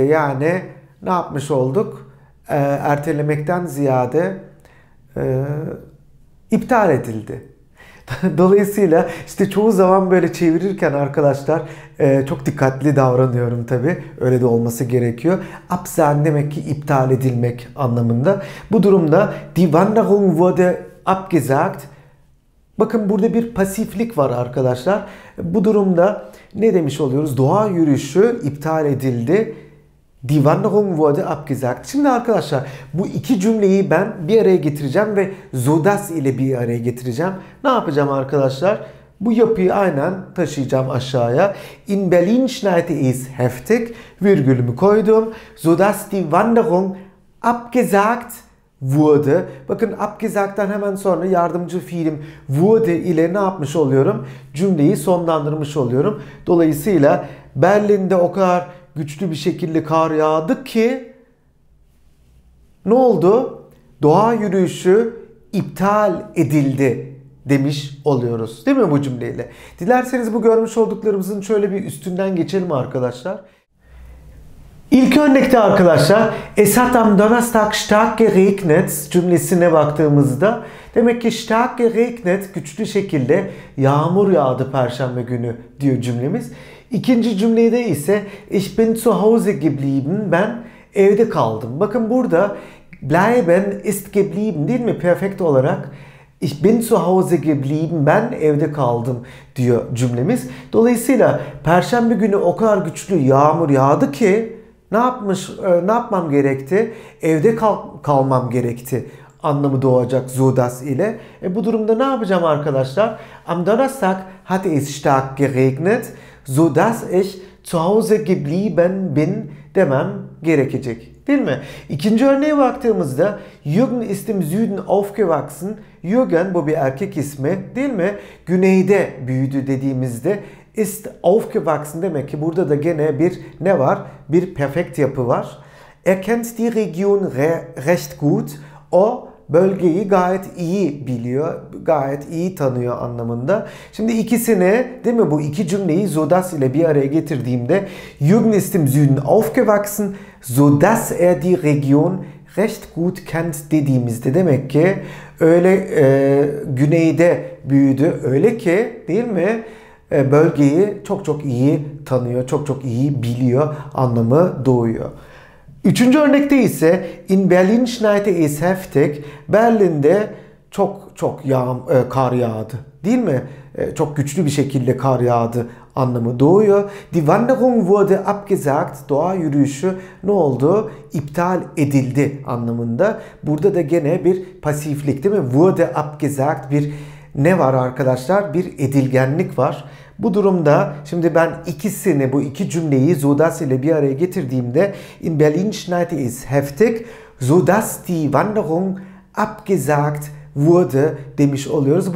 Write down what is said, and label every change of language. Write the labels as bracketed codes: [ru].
[tr] Yani ne yapmış olduk? Ertelemekten ziyade iptal edildi. Dolayısıyla işte çoğu zaman böyle çevirirken arkadaşlar çok dikkatli davranıyorum tabii. Öyle de olması gerekiyor. Absen demek ki iptal edilmek anlamında. Bu durumda [de] Die Wanderung wurde abgesagt. [tr] Bakın burada bir pasiflik var arkadaşlar. Bu durumda ne demiş oluyoruz? Doğa yürüyüşü iptal edildi. [de] Die Wanderung wurde abgesagt. [tr] Şimdi arkadaşlar bu iki cümleyi ben bir araya getireceğim ve so das ile bir araya getireceğim. Ne yapacağım arkadaşlar? Bu yapıyı aynen taşıyacağım aşağıya. [de] In Berlin schneite es heftig. [tr] Virgülümü koydum. [de] So das die Wanderung abgesagt wurde. [tr] Bakın abgesagt'tan hemen sonra yardımcı fiilim wurde ile ne yapmış oluyorum? Cümleyi sonlandırmış oluyorum. Dolayısıyla Berlin'de o kadar güçlü bir şekilde kar yağdı ki ne oldu? Doğa yürüyüşü iptal edildi demiş oluyoruz. Değil mi bu cümleyle? Dilerseniz bu görmüş olduklarımızın şöyle bir üstünden geçelim arkadaşlar. İlk örnekte arkadaşlar [de] Es hat am Donnerstag stark geregnet [tr] cümlesine baktığımızda demek ki [de] stark geregnet [tr] güçlü şekilde yağmur yağdı perşembe günü diyor cümlemiz. İkinci cümlede ise [de] Ich bin zu Hause geblieben. [tr] Ben evde kaldım. Bakın burada [de] bleiben ist geblieben [tr] değil mi? [de] Perfekt olarak Ich bin zu Hause geblieben. [tr] Ben evde kaldım diyor cümlemiz. Dolayısıyla perşembe günü o kadar güçlü yağmur yağdı ki ne yapmam gerekti? Evde kalmam gerekti anlamı doğacak so das ile. Bu durumda ne yapacağım arkadaşlar? [de] Am Donnerstag hat es stark geregnet. So dass ich zu Hause geblieben bin [tr] demem gerekecek. Değil mi? İkinci örneğe baktığımızda [de] Jürgen ist im Süden aufgewachsen. [tr] Jürgen bu bir erkek ismi. Değil mi? Güneyde büyüdü dediğimizde [de] ist aufgewachsen [tr] demek ki burada da gene bir ne var? Bir perfekt yapı var. [de] Er kennt die Region recht gut. [tr] O bölgeyi gayet iyi biliyor, gayet iyi tanıyor anlamında. Şimdi ikisini, değil mi bu iki cümleyi so das ile bir araya getirdiğimde [de] Jürgen ist im Süden aufgewachsen, so dass er die Region recht gut kennt [tr] dediğimizde demek ki öyle güneyde büyüdü, öyle ki değil mi bölgeyi çok çok iyi tanıyor, çok çok iyi biliyor anlamı doğuyor. Üçüncü örnekte ise [de] in Berlin schneite es heftig. [tr] Berlin'de çok çok kar yağdı. Değil mi? Çok güçlü bir şekilde kar yağdı anlamı doğuyor. [de] Die Wanderung wurde abgesagt. [tr] Doğa yürüyüşü ne oldu? İptal edildi anlamında. Burada da gene bir pasiflik değil mi? [de] Wurde abgesagt [tr] bir ne var arkadaşlar? Bir edilgenlik var. Bu durumda şimdi ben ikisini bu iki cümleyi so das ile bir araya getirdiğimde [de] in Berlin schneite es heftig so dass die Wanderung abgesagt wurde [tr] demiş oluyoruz.